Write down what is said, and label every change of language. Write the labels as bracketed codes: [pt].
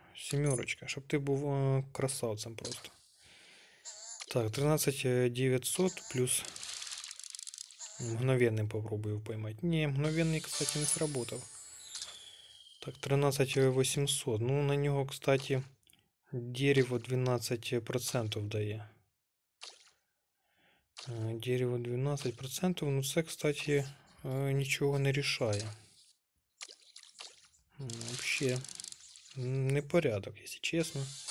[ru] Семерочка, чтобы ты был красавцем просто. Так, 13 900 плюс Мгновенный попробую поймать. Не, мгновенный, кстати, не сработал. Так, 13800. Ну, на него, кстати, дерево 12% [uk] дає. [ru] Дерево 12%. [uk] Ну, це, [ru] кстати, [uk] нічого не рішає. [ru] Вообще, непорядок, если честно.